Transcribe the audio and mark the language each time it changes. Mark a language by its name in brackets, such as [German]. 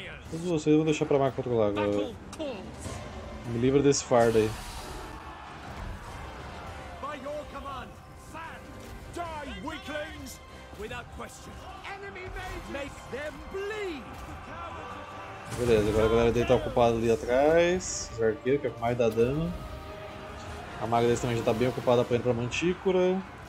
[Portuguese] Todos vocês vão deixar pra marcar outro lago. Me livra desse fardo aí. [English] By your command, Sand, die, weaklings! Without question. Enemy mages, make them bleed! [Portuguese] Beleza, agora a galera dele tá ocupada ali atrás. Os arqueiros, que é o que mais dá dano. A maga deles também já tá bem ocupada pra entrar pra mantícora.